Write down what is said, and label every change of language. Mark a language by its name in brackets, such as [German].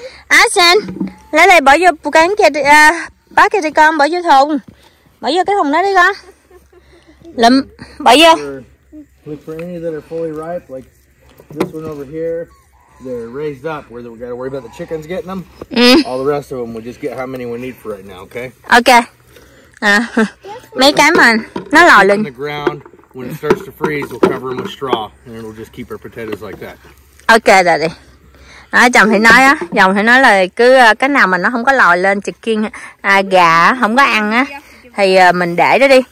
[Vietnamese] Nice and Lily, bỏ vô cái bucket đi con, bỏ vô thùng. Bỏ vô cái thùng đó đi con. Lụm, bỏ vô. [English] Look for any that are fully ripe, like this one over here. They're raised up where we gotta worry about the chickens getting them. Mm. All the rest of them, we'll just get how many we need for right now, okay? [Vietnamese] Okay. Mấy cái mà nó lòi lên. [English] In the ground, when it starts to freeze, we'll cover them with straw and it'll just keep our potatoes like that. Okay, daddy. [Vietnamese] Đó, chồng thì nói á, chồng thì nói là cứ cái nào mà nó không có lòi lên, chị kiên gà không có ăn á, thì mình để đó đi.